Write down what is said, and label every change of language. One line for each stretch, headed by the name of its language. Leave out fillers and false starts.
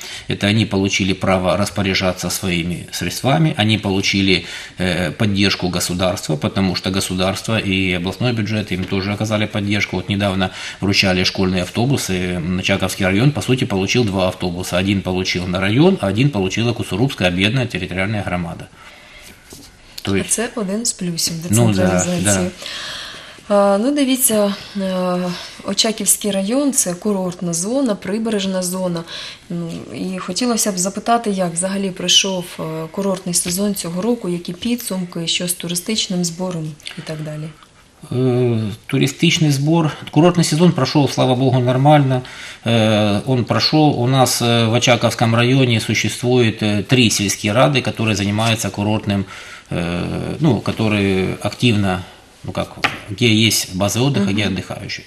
Russian: Это они получили право распоряжаться своими средствами, они получили поддержку государства, потому что государство и областной бюджет им тоже оказали поддержку. Вот недавно вручали школьные автобусы, Чаковский район, по сути, получил 2 автобуса. Один получил на район, а один получила Куцурубская бедная территориальная громада. То есть...
Ukrainian: Це один з плюсів децентралізації. Ну, дивіться, Очаківський район – це курортна зона, прибережна зона. І хотілося б запитати, як взагалі пройшов курортний сезон цього року, які підсумки, що з туристичним збором і так далі.
Russian: Туристичный сбор, курортный сезон прошел, слава богу, нормально, он прошел. У нас в Очаковском районе существует 3 сельские рады, которые занимаются курортным, ну, которые активно, ну как, где есть базы отдыха, где отдыхающие.